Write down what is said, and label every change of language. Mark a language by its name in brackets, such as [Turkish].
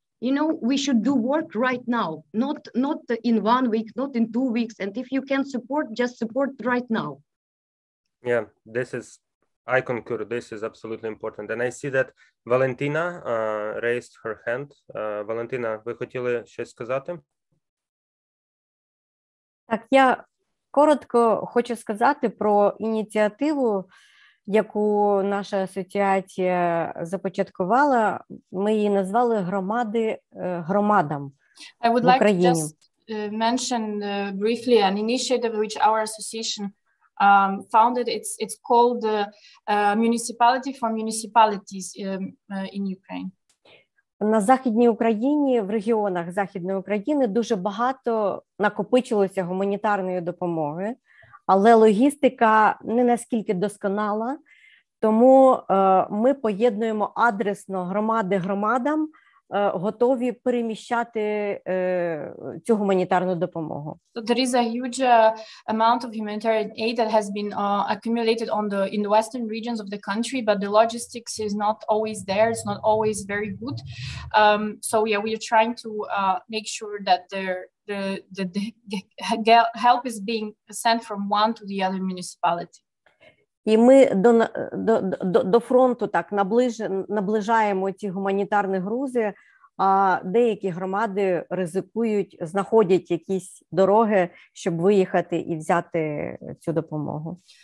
[English] You know, we should do work right now, not in 1 week, not in 2 weeks. And if you can support, just support right now. Yeah, I concur. This is absolutely important. And I see that Valentina raised her hand. [Ukrainian] Valentina, ви хотіли щось сказати? Так, я коротко хочу сказати про ініціативу, яку наша асоціація започаткувала. Ми її назвали громади громадам в Україні. [English] I would like to just mention briefly an initiative which our association founded. It's called the Municipality for Municipalities in Ukraine. [Ukrainian] На Західній Україні, в регіонах Західної України дуже багато накопичилося гуманітарної допомоги, але логістика не наскільки досконала. Тому ми поєднуємо адресно громади громадам, готові переміщати цю гуманітарну допомогу. [English] So there is a huge amount of humanitarian aid that has been accumulated in the western regions of the country, but the logistics is not always there, it's not always very good. We are trying to make sure that the help is being sent from one to the other municipality. [Ukrainian] І ми до фронту так наближаємо ці гуманітарні грузи, деякі громади ризикують, знаходять якісь дороги, щоб виїхати і взяти цю допомогу.